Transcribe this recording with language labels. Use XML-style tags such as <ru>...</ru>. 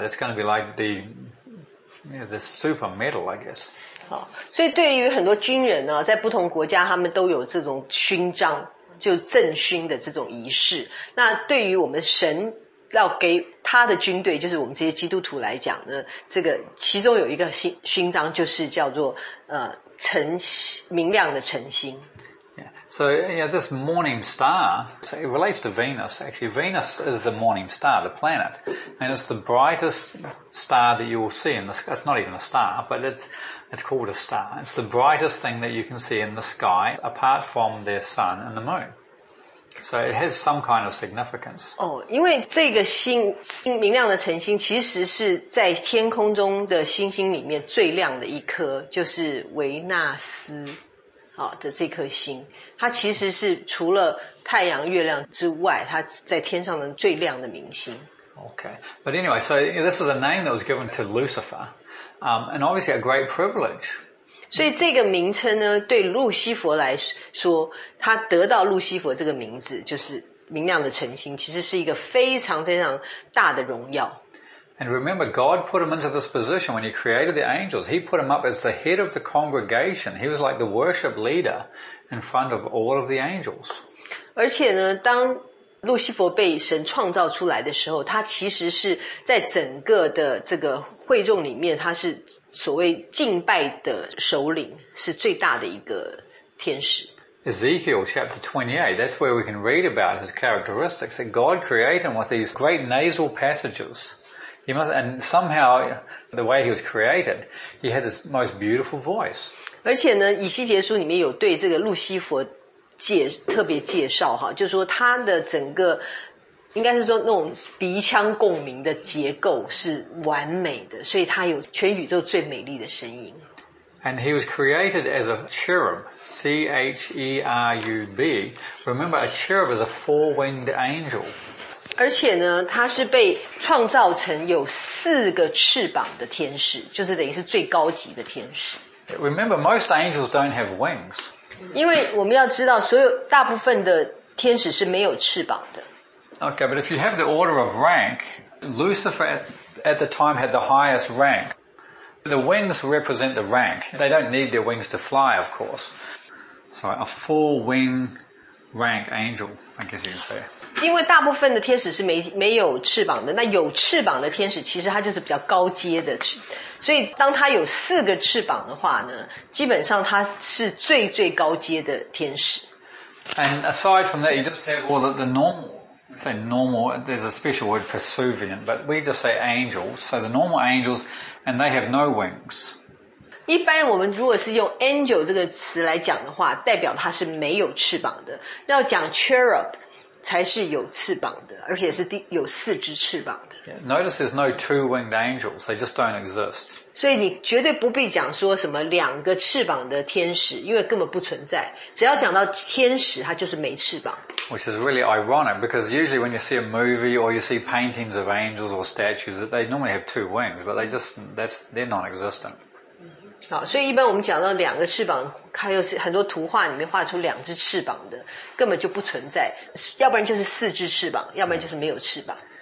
<en>That's going to be like the, you know, the super medal, I guess.</en> <zh>所以对于很多军人呢，在不同国家他们都有这种勋章，就正勋的这种仪式。那对于我们神要给他的军队，就是我们这些基督徒来讲呢，这个其中有一个勋章就是叫做晨明亮的晨星。</zh> <en>So, yeah, this morning star, so it relates to Venus, actually. Venus is the morning star, the planet. And it's the brightest star that you will see in the sky. It's not even a star, but it's called a star. It's the brightest thing that you can see in the sky, apart from the sun and the moon. So it has some kind of significance.</en> <zh>Oh, 因为这个星明亮的晨星其实是在天空中的星星里面最亮的一颗，就是维纳斯。好的，这颗星它其实是除了太阳月亮之外它在天上的最亮的明星。</zh> <en>Okay, but anyway, so this is a name that was given to Lucifer, and obviously a great privilege.</en> <zh>所以这个名称呢，对路西佛来说，他得到路西佛这个名字，就是明亮的晨星，其实是一个非常非常大的荣耀。</zh> <en>And remember, God put him into this position when he created the angels. He put him up as the head of the congregation. He was like the worship leader in front of all of the angels.</en> <zh>而且呢，当路西佛被神创造出来的时候，他其实是在整个的这个会众里面，他是所谓敬拜的首领，是最大的一个天使。</zh> <en>Ezekiel chapter 28, that's where we can read about his characteristics, that God created him with these great nasal passages. He must, and somehow, the way he was created, he had this most beautiful voice.</en> <zh>而且呢，以西结书里面有对这个路西佛特别介绍哈，就是说他的整个，应该是说那种鼻腔共鸣的结构是完美的，所以他有全宇宙最美丽的声音。</zh> <en>And he was created as a cherub, C-H-E-R-U-B. Remember, a cherub is a four-winged angel.</en> <zh>而且呢，他是被创造成有四个翅膀的天使，就是等于是最高级的天使。</zh> <en>Remember, most angels don't have wings.</en> <zh>因为我们要知道，所有大部分的天使是没有翅膀的。</zh> <en>Okay, but if you have the order of rank, Lucifer at the time had the highest rank. The wings represent the rank. They don't need their wings to fly, of course. So a four-wing rank angel, I guess you could say.</en> <zh>因为大部分的天使是 没有翅膀的，那有翅膀的天使其实它就是比较高阶的，所以当它有四个翅膀的话呢，基本上它是最最高阶的天使。</zh> <en>And aside from that, you just have all the normal, say normal, there's a special word for servant, but we just say angels. So the normal angels, and they have no wings.</en> <zh>一般我们如果是用 angel 这个词来讲的话，代表它是没有翅膀的。要讲 cherub 才是有翅膀的，而且是有四只翅膀的。</zh> <en>Yeah, notice there's no two-winged angels; they just don't exist.</en> <zh>所以你绝对不必讲说什么两个翅膀的天使，因为根本不存在。只要讲到天使，它就是没翅膀。</zh> <en>Which is really ironic because usually when you see a movie or you see paintings of angels or statues, that they normally have two wings, but they're non-existent.</en> <zh>好，所以一般我们讲到两个翅膀，它又是很多图画里面画出两只翅膀的，根本就不存在。要不然就是四只翅膀，要不然就是没有翅膀。</zh>